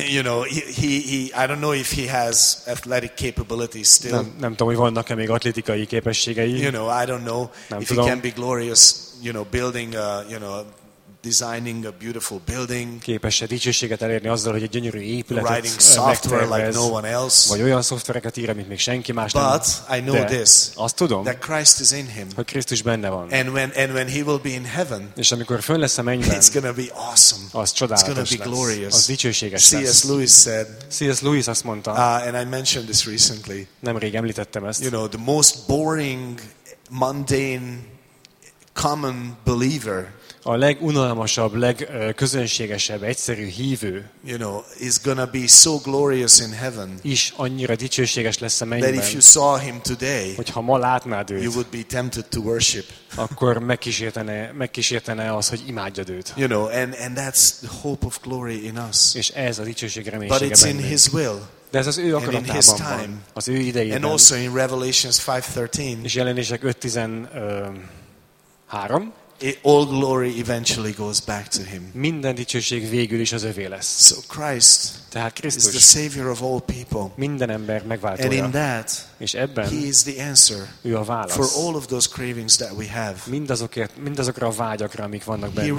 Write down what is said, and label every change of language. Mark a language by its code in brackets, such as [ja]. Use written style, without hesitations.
[en] You know, he I don't know if he has athletic capabilities still. [hu] Nem tudom, hogy vannak-e még atlétikai képességei. [en] You know, I don't know if he can be glorious, you know, building a, you know, designing a beautiful building. [hu] Képes-e dicsőséget elérni azzal, hogy egy gyönyörű épületet [en] writing software like no one else. [hu] Vagy olyan szoftvereket ír, amit még senki más [en] but [hu] nem. [en] But I know [hu] de [en] this. [hu] Azt tudom. [en] That Christ is in him. [hu] Hogy Krisztus benne van. [en] And when he will be in heaven. [hu] És amikor fönn lesz a mennyben. [en] It's gonna be awesome. [hu] Az csodálatos. [en] It's gonna be glorious. [hu] Az dicsőséges lesz. [en] C.S. Lewis [hu] azt mondta. [en] And I mentioned this recently. [hu] Nemrég említettem ezt. [en] You know, the most boring, mundane, common believer. [hu] A legunalmasabb, legközönségesebb, egyszerű hívő, [en] you know, is gonna be so glorious in heaven. [hu] Is annyira dicsőséges lesz a mennyben. [en] That if you saw him today, [hu] hogyha ma látnád őt, [en] you would be tempted to worship. [hu] Akkor megkísértene az, hogy imádjad őt. [en] You know, and that's the hope of glory in us. [hu] És ez a dicsőség reménysége bennünk. [en] But it's in his will. [hu] De ez az ő akaratában van, az ő idejében. [en] And also in Revelations 5:13. [hu] És Jelenések 5:13. [en] All glory eventually goes back to him. [hu] Minden dicsőség végül is az övé lesz. [en] So Christ, [hu] tehát Krisztus, [en] is the savior of all people. [hu] Minden ember megváltója. [en] And in that, [hu] és ebben, [en] he is the answer. [hu] Ő a válasz. [en] For all of those cravings that we have. [hu] Mindazokra a vágyakra, amik vannak bennünk.